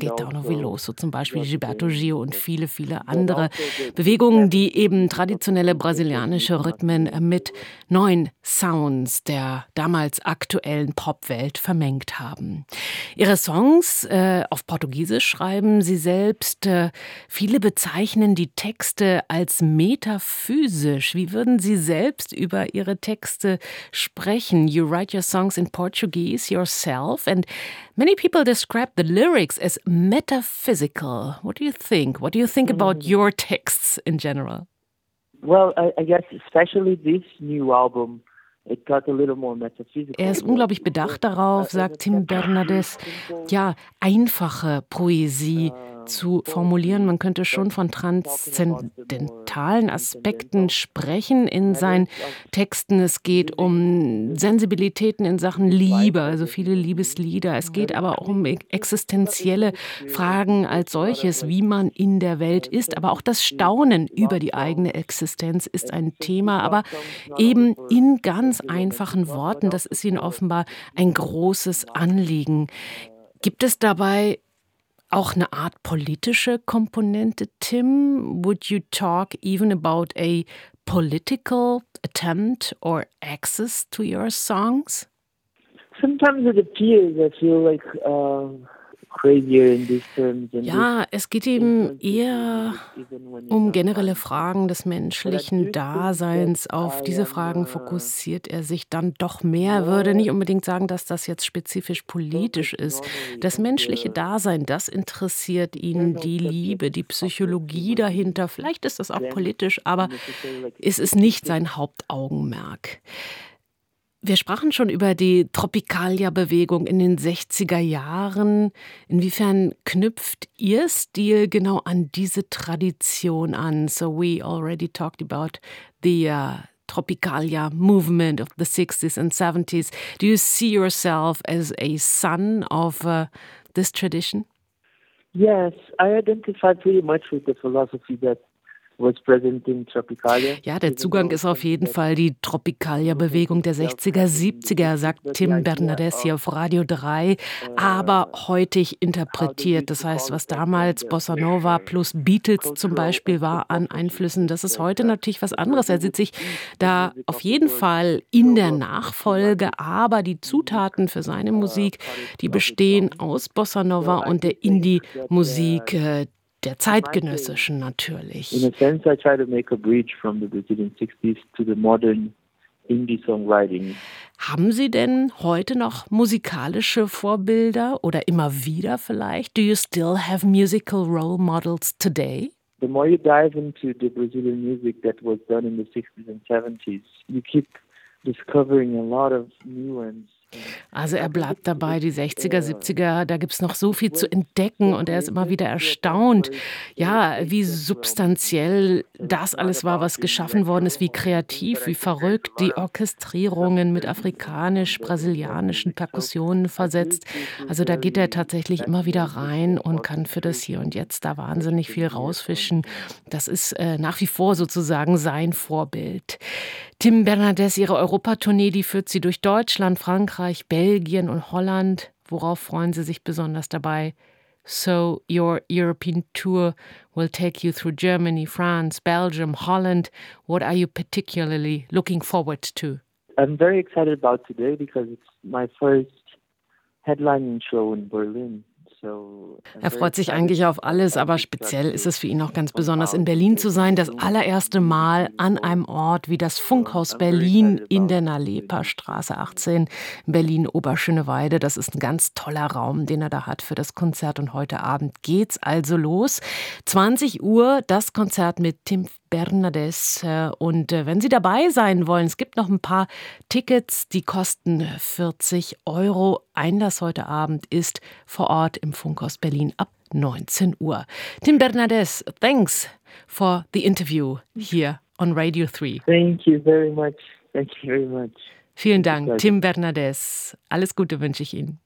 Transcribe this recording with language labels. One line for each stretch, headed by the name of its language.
German: Caetano Veloso zum Beispiel, Gilberto Gil und viele, viele andere Bewegungen, die eben traditionelle brasilianische Rhythmen mit neuen Sounds der damals aktuellen Popwelt vermengt haben. Ihre Songs auf Portugiesisch schreiben sie selbst. Viele bezeichnen die Texte als Metaphysik. Wie würden Sie selbst über Ihre Texte sprechen?
English: You write your songs in Portuguese yourself, and many people describe the lyrics as metaphysical. What do you think? What do you think about your texts in general? Well, I guess especially this new album. It got a little more metaphysical.
German: Er ist unglaublich bedacht darauf, sagt Tim Bernardes, einfache Poesie zu formulieren. Man könnte schon von transzendentalen Aspekten sprechen in seinen Texten. Es geht um Sensibilitäten in Sachen Liebe, also viele Liebeslieder. Es geht aber auch um existenzielle Fragen als solches, wie man in der Welt ist. Aber auch das Staunen über die eigene Existenz ist ein Thema. Aber eben in ganz einfachen Worten, das ist Ihnen offenbar ein großes Anliegen. Gibt es dabei auch eine Art politische Komponente, Tim?
English: Would you talk even about a political attempt or access to your songs? Sometimes it appears, I feel like crazier in these terms.
German: Ja, es geht eben eher um generelle Fragen des menschlichen Daseins. Auf diese Fragen fokussiert er sich dann doch mehr. Ich würde nicht unbedingt sagen, dass das jetzt spezifisch politisch ist. Das menschliche Dasein, das interessiert ihn, die Liebe, die Psychologie dahinter. Vielleicht ist das auch politisch, aber es ist nicht sein Hauptaugenmerk. Wir sprachen schon über die Tropicalia-Bewegung in den 60er Jahren. Inwiefern knüpft Ihr Stil genau an diese Tradition an?
English: So we already talked about the Tropicalia movement of the 60s and 70s. Do you see yourself as a son of this tradition? Yes, I identify pretty much with the philosophy that was present in Tropicalia.
German: Ja, der Zugang ist auf jeden Fall die Tropicalia-Bewegung der 60er, 70er, sagt Tim Bernardes hier auf Radio 3, aber heutig interpretiert. Das heißt, was damals Bossa Nova plus Beatles zum Beispiel war an Einflüssen, das ist heute natürlich was anderes. Er sieht sich da auf jeden Fall in der Nachfolge, aber die Zutaten für seine Musik, die bestehen aus Bossa Nova und der Indie-Musik, der zeitgenössischen natürlich.
English: In a sense, I try to make a bridge from the Brazilian 60s to the modern Indie-Songwriting.
German: Haben Sie denn heute noch musikalische Vorbilder oder immer wieder vielleicht?
English: Do you still have musical role models today? The more you dive into the Brazilian music that was done in the 60s and 70s, you keep discovering a lot of new ones.
German: Also er bleibt dabei, die 60er, 70er, da gibt es noch so viel zu entdecken und er ist immer wieder erstaunt, ja, wie substanziell das alles war, was geschaffen worden ist, wie kreativ, wie verrückt, die Orchestrierungen mit afrikanisch-brasilianischen Perkussionen versetzt. Also da geht er tatsächlich immer wieder rein und kann für das Hier und Jetzt da wahnsinnig viel rausfischen. Das ist nach wie vor sozusagen sein Vorbild. Tim Bernardes, Ihre Europatournee, die führt Sie durch Deutschland, Frankreich, Belgien und Holland. Worauf freuen Sie sich besonders dabei?
English: So your European tour will take you through Germany, France, Belgium, Holland. What are you particularly looking forward to? I'm very excited about today because it's my first headlining show in Berlin.
German: Er freut sich eigentlich auf alles, aber speziell ist es für ihn auch ganz besonders, in Berlin zu sein. Das allererste Mal an einem Ort wie das Funkhaus Berlin in der Naleperstraße 18, Berlin-Oberschöneweide. Das ist ein ganz toller Raum, den er da hat für das Konzert. Und heute Abend geht's also los. 20 Uhr das Konzert mit Tim Bernardes. Und wenn Sie dabei sein wollen, es gibt noch ein paar Tickets, die kosten 40 Euro. Einlass heute Abend ist vor Ort im Funkhaus Berlin ab 19 Uhr.
English: Tim Bernardes, thanks for the interview here on Radio 3. Thank you very much. Thank you very much.
German: Vielen Dank, Tim Bernardes. Alles Gute wünsche ich Ihnen.